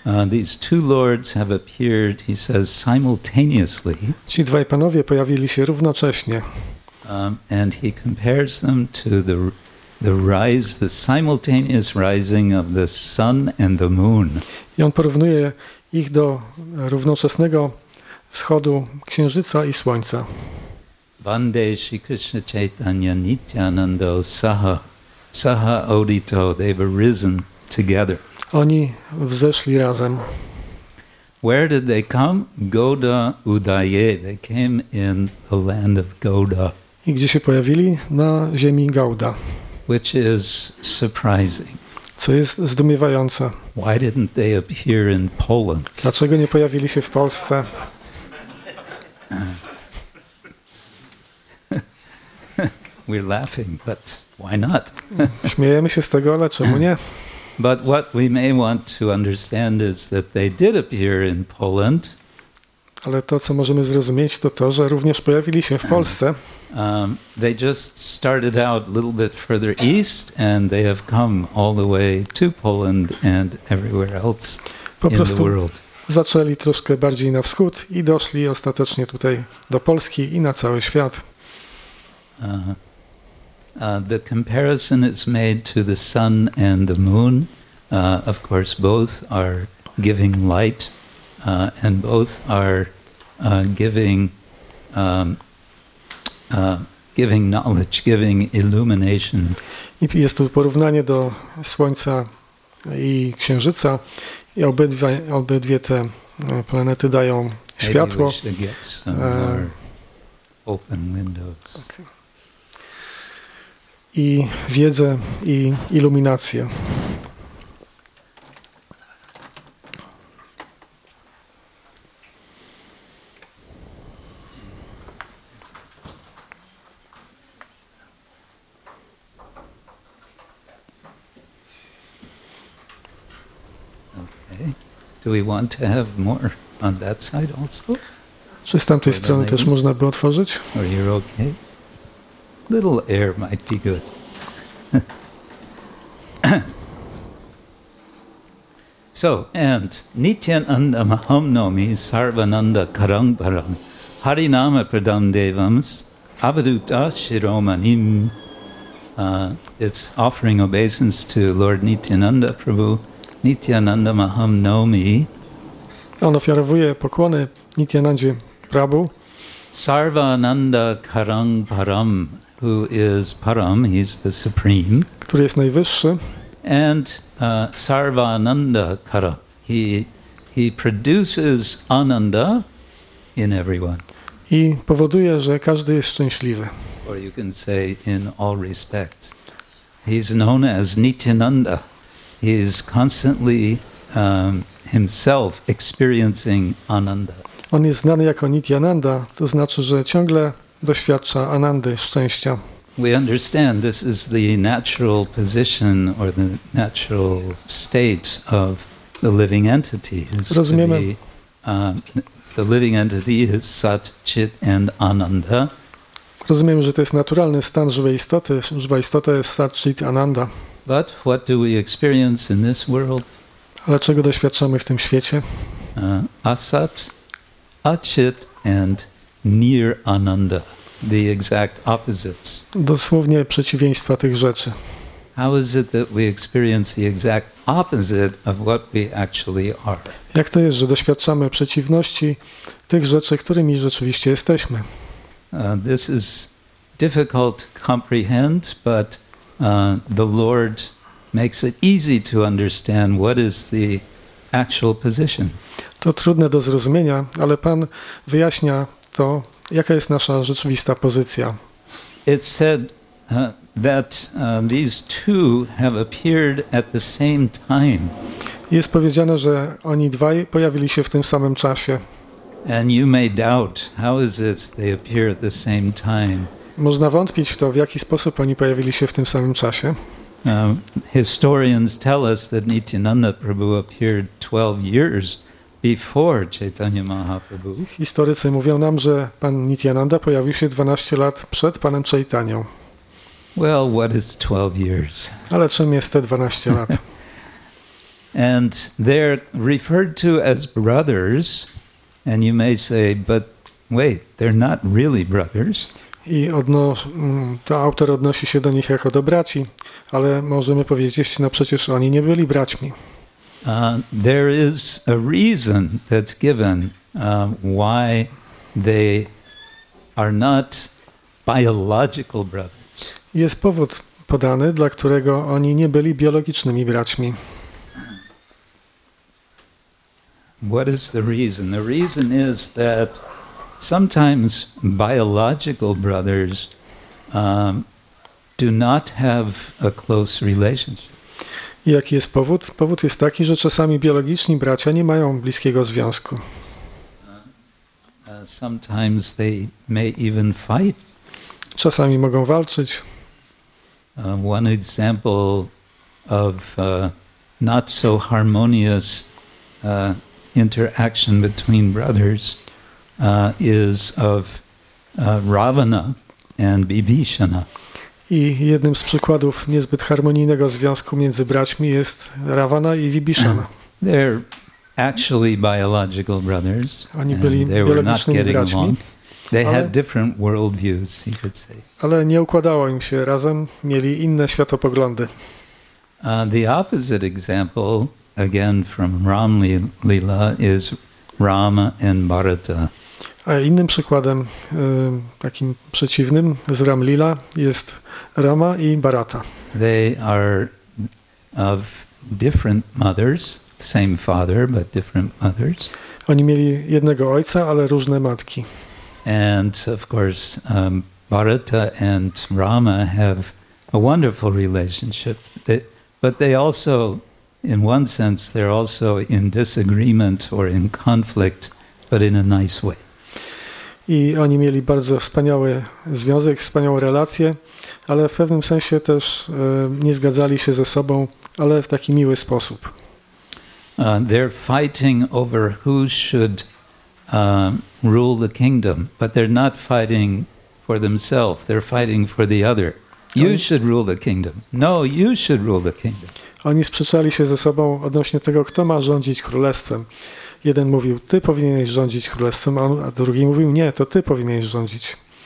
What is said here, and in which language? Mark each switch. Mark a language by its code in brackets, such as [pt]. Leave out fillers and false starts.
[en] These two lords have appeared, he says, simultaneously. [pl] Ci dwaj panowie pojawili się równocześnie. [en] And he compares them to the simultaneous rising of the sun and the moon. [pl] I on porównuje ich do równoczesnego wschodu księżyca i słońca. [sa] Vandeshi Krishna Chaitanya Nityanando Saha Odito, [en] they've arisen together. [pl] Oni wzeszli razem. [en] Where did they come? [sa] Goda Udaye. [en] They came in the land of Goda. [pl] I gdzie się pojawili? Na ziemi Gauda. [en] Which is surprising. [pl] Co jest zdumiewające. [en] Why didn't they appear in Poland? [pl] Dlaczego nie pojawili się w Polsce? [en] We're laughing, but why not? [pl] Śmiejemy się z tego, ale czemu nie? [en] But what we may want to understand is that they did appear in Poland. [pl] Ale to, co możemy zrozumieć, to to, że również pojawili się w Polsce. [en] They just started out a little bit further east and they have come all the way to Poland and everywhere else in the world. [pl] Zaczęli troszkę bardziej na wschód i doszli ostatecznie tutaj do Polski i na cały świat. [en] The comparison is made to the sun and the moon. Of course, both are giving light, and both are giving knowledge, giving illumination. [pl] I jest tu porównanie do słońca i księżyca. I obydwie te planety dają światło. [en] Maybe we should get some more open windows. Okay. [pl] I wiedzę, i iluminację. [en] Okay. Do we want to have more on that side also? [pl] Czy z tamtej strony też można by otworzyć? [en] Are you okay? Little air might be good. [sa] So, and Nityananda Mahamnomi Sarvananda Karangbaram Harinama Pradam Devams Avaduta Shiromanim. [en] It's offering obeisance to Lord Nityananda Prabhu. [sa] Nityananda Mahamnomi. [pl] On ofiarowuje pokłony Nityanandzie Prabhu. [sa] Sarvananda Karangbaram, [en] who is Param, he's the Supreme. [pl] Który jest najwyższy. [en] And [sa] Sarvananda Kara, [en] he produces ananda in everyone. [pl] I powoduje, że każdy jest szczęśliwy. [en] Or you can say in all respects. He's known as Nityananda. He is constantly himself experiencing ananda. [pl] On jest znany jako Nityananda, to znaczy, że ciągle doświadcza anandy, szczęścia. [en] We understand this is the natural position or the natural state of the living entity. [pl] Rozumiemy. [en] The living entity is sat, chit and ananda. [pl] Rozumiemy, że to jest naturalny stan żywej istoty. Żywa istota jest sat, chit, ananda. [en] But what do we experience in this world? [pl] Ale czego doświadczamy w tym świecie? [en] Asat, achit and near ananda. The exact opposites. [pl] Dosłownie przeciwieństwa tych rzeczy. [en] How is it that we experience the exact opposite of what we actually are? [pl] Jak to jest, że doświadczamy przeciwności tych rzeczy, którymi rzeczywiście jesteśmy? [en] This is difficult to comprehend, but the Lord makes it easy to understand what is the actual position. [pl] To trudne do zrozumienia, ale Pan wyjaśnia to. Jaka jest nasza rzeczywista pozycja? [en] It said that these two have appeared at the same time. [pl] Jest powiedziane, że oni dwaj pojawili się w tym samym czasie. [en] And you may doubt, how is it they appear at the same time? [pl] Można wątpić w to, w jaki sposób oni pojawili się w tym samym czasie. [en] Historians tell us that Nityananda Prabhu appeared 12 years before Chaitanya Mahaprabhu. [pl] Historycy mówią nam, że pan Nityananda pojawił się 12 lat przed panem Chaitanią. [en] Well, what is 12 years? [pl] Ale czym jest te 12 lat? [en] And they're referred to as brothers, and you may say, but wait, they're not really brothers. [pl] I to autor odnosi się do nich jako do braci, ale możemy powiedzieć, no przecież oni nie byli braćmi. [en] There is a reason that's given why they are not biological brothers. [pl] Jest powód podany, dla którego oni nie byli biologicznymi braćmi. [en] What is the reason? The reason is that sometimes biological brothers do not have a close relationship. [pl] I jaki jest powód? Powód jest taki, że czasami biologiczni bracia nie mają bliskiego związku. [en] Sometimes they may even fight. [pl] Czasami mogą walczyć. [en] One example of not so harmonious interaction between brothers is of Ravana and Bibhishana. [pl] I jednym z przykładów niezbyt harmonijnego związku między braćmi jest Ravana i Vibhishana. [en] They're actually biological brothers. [pl] Oni byli biologicznymi braćmi. [en] They had different world views, you could say. [pl] Ale nie układało im się razem, mieli inne światopoglądy. [en] The opposite example, again from Ramlila, is Rama and Bharata. [pl] A innym przykładem, takim przeciwnym z Ramlila, jest Rama i Bharata. [en] They are of different mothers, same father, but different mothers. [pl] Oni mieli jednego ojca, ale różne matki. [en] And of course, Bharata and Rama have a wonderful relationship. But they also, in one sense, they're also in disagreement or in conflict, but in a nice way. [pl] I oni mieli bardzo wspaniały związek, wspaniałą relację, ale w pewnym sensie też nie zgadzali się ze sobą, ale w taki miły sposób. [en] They're fighting over who should rule the kingdom, but they're not fighting for themselves, they're fighting for the other. You should rule the kingdom. No, you should rule the kingdom. [pl] Oni sprzeczali się ze sobą odnośnie tego, kto ma rządzić królestwem. Jeden mówił, ty powinieneś rządzić królestwem, a drugi mówił, nie, to ty powinieneś rządzić.